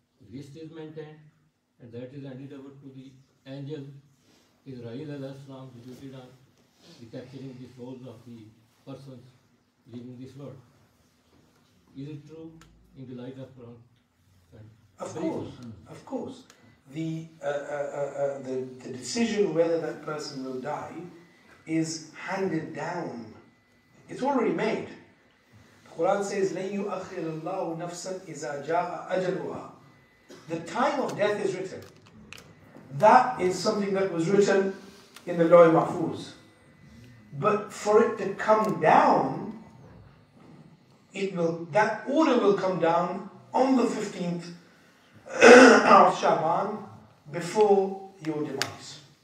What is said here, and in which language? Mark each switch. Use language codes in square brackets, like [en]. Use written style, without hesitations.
[en] This is maintained, and that is handed over to the angel Israel al-Aslam, deputed on the capturing the souls of the persons leaving this world. Is it true in the light of Quran? Of course. The decision whether that person will die is handed down. It's already made. Quran says, [ar] لَنْ يُؤَخِّرَ اللَّهُ نَفْسًا إِذَا جَاءَ أَجَلُهَا. [en] The time of death is written. That is something that was written in the Lawi Mahfuz. But for it to come down, that order will come down on the 15th of Shaban before your demise.